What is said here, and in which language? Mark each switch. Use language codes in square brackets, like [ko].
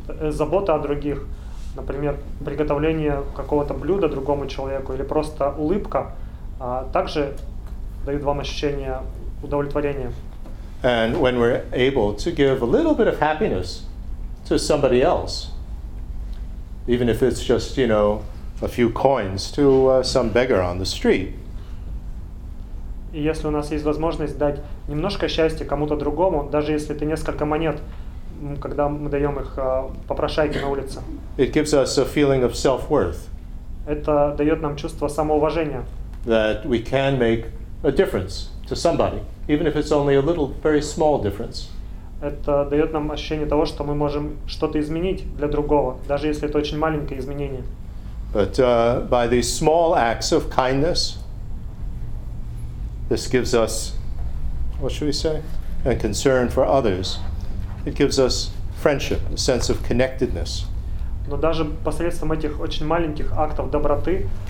[ru] Забота о других, например, приготовление какого-то блюда другому человеку или просто улыбка, также дают вам ощущение удовлетворения. [en] And when we're able to give a little bit of happiness to somebody else, even if it's just, you know, a few coins to some beggar on the street. [ru] И если у нас есть возможность дать немножко счастья кому-то другому, даже если это несколько монет, когда мы даем их попрошайке на улице. [en] It gives us a feeling of self-worth. [ru] Это дает нам чувство самоуважения. [en] That we can make a difference to somebody, even if it's only a little, very small difference. [ru] Это дает нам ощущение того, что мы можем что-то изменить для другого, даже если это очень маленькое изменение. [en] But by these small acts of kindness, this gives us, what should we say, and concern for others, it gives us friendship, a sense of connectedness. [ru] Но даже посредством этих очень маленьких актов доброты,